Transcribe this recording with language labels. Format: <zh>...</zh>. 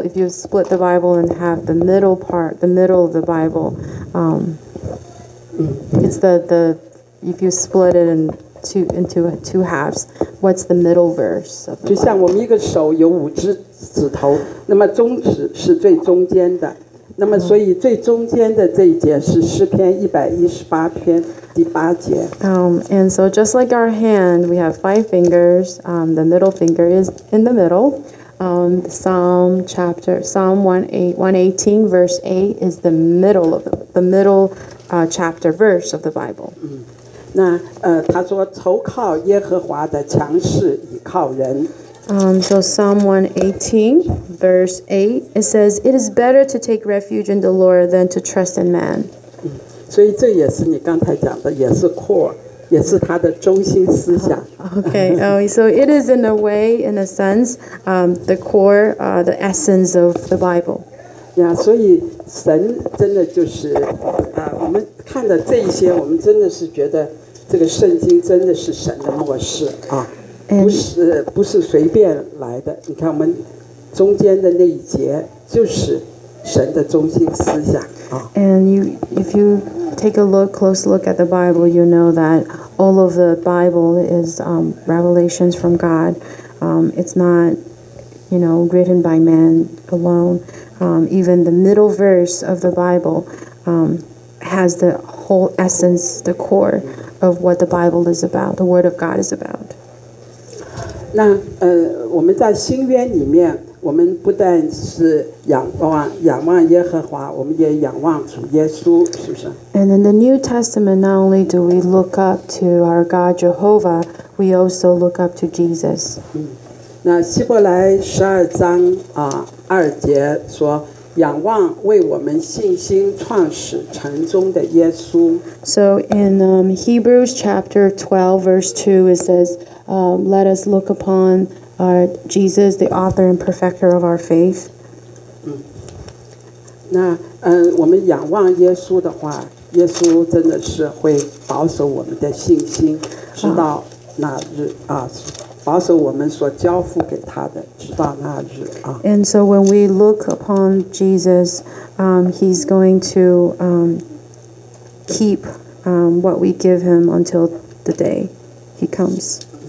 <en>If you split the Bible and have the middle part, the middle of the Bible, it's the If you split it into halves, what's the middle verse of the Bible?</en> <zh>就像我们一个手有五只指头，那么中指是最中间的，那么所以最中间的这一节是诗篇118篇第八节。</zh> <en>And so just like our hand, we have five fingers. The middle finger is in the middle. Psalm 118 verse 8 is the middle of the middle chapter verse of the Bible.</en> <zh>那他说投靠耶和华的强势倚靠人。</zh> <en>So Psalm 118 verse 8 it says it is better to take refuge in the Lord than to trust in man.</en> <zh>所以这也是你刚才讲的，也是 core， 也是他的中心思想。</zh> <en>So it is in a way, in a sense, the core, the essence of the Bible.</en> <zh>Yeah, 所以神真的就是我们看的这些，我们真的是觉得。这个圣经真的是神的默示啊，不是随便来的。你看我们中间的那一节就是神的中心思想啊。</zh> <en>And if you take a look close look at the Bible, you know that all of the Bible is revelations from God. It's not, you know, written by man alone. Even the middle verse of the Bible has the whole essence, the core. Of what the Bible is about, the Word of God is about.</en> <zh>那我们在新约里面，我们不但是仰望耶和华，我们也仰望主耶稣，是不是</zh> <en>？And in the New Testament, not only do we look up to our God Jehovah, we also look up to Jesus.</en> <zh>那希伯来十二章二节说。仰望为我们信心创始成终的耶稣。</zh> <en>So in Hebrews chapter 12 verse 2 it says, let us look upon our Jesus, the author and perfecter of our faith.</en> <zh>那我们仰望耶稣的话，耶稣真的是会保守我们的信心，直到那日啊。保守我们所交付给他的，直到那日啊。 And so when we look upon Jesus, he's going to keep what we give him until the day he comes.</zh>